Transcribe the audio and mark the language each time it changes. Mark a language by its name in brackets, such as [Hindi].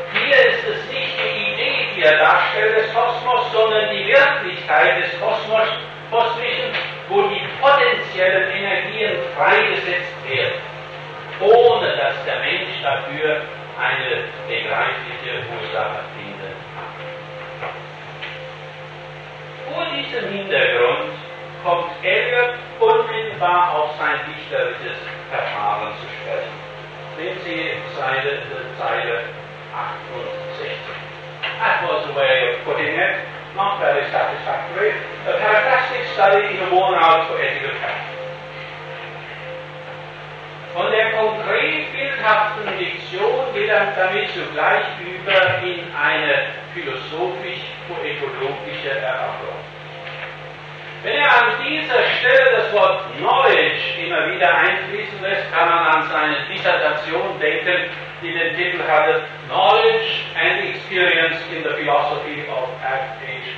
[German] Hier ist es nicht die Idee, die er darstellt, des Kosmos, sondern die Wirklichkeit des Kosmos, kosmischen, wo die potenziellen Energien freigesetzt werden, ohne dass der Mensch dafür eine begreifliche Ursache finden kann. Vor diesem Hintergrund kommt Eliot unmittelbar auf sein dichterisches Verfahren zu sprechen. Nehmen Sie Zeile 68. [English] That was a way of putting it, not very satisfactory, a fantastic study in a worn-out poetical fashion. [German] Von der konkret bildhaften Diktion geht er damit zugleich über in eine philosophisch-poetologische Erörterung. Wenn er an dieser Stelle das Wort Knowledge immer wieder einfließen lässt, kann man an seine Dissertation denken, die den Titel hatte Knowledge and Experience in the Philosophy of F.H.